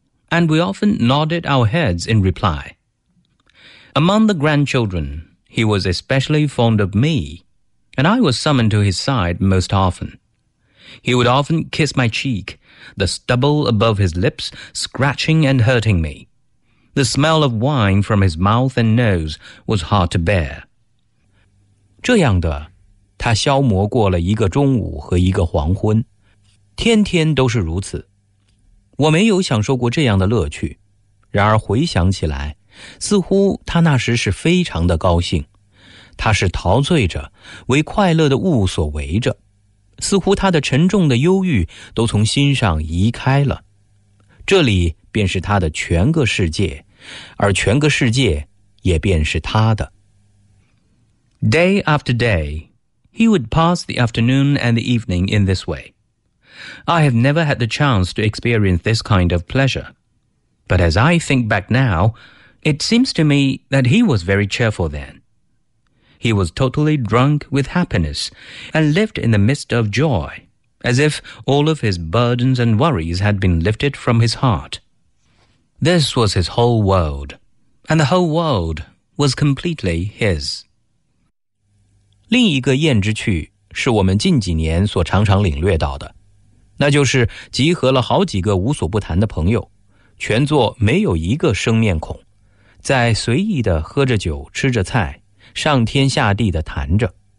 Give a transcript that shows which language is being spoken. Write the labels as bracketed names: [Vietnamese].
[English] And we often nodded our heads in reply. Among the grandchildren, he was especially fond of me, and I was summoned to his side most often. He would often kiss my cheek, the stubble above his lips scratching and hurting me. The smell of wine from his mouth and nose was hard to bear. [Chinese] 这样的，他消磨过了一个中午和一个黄昏，天天都是如此。我没有享受过这样的乐趣，然而回想起来，似乎他那时是非常的高兴，他是陶醉着，为快乐的物所围着，似乎他的沉重的忧郁都从心上移开了。这里便是他的全个世界，而全个世界也便是他的。 [English] Day after day, he would pass the afternoon and the evening in this way. I have never had the chance to experience this kind of pleasure. But as I think back now, it seems to me that he was very cheerful then. He was totally drunk with happiness and lived in the midst of joy, as if all of his burdens and worries had been lifted from his heart. This was his whole world, and the whole world was completely his. [Chinese] 另一个燕之趣是我们近几年所常常领略到的，那就是集合了好几个无所不谈的朋友，全座没有一个生面孔，在随意地喝着酒，吃着菜，上天下地地谈着，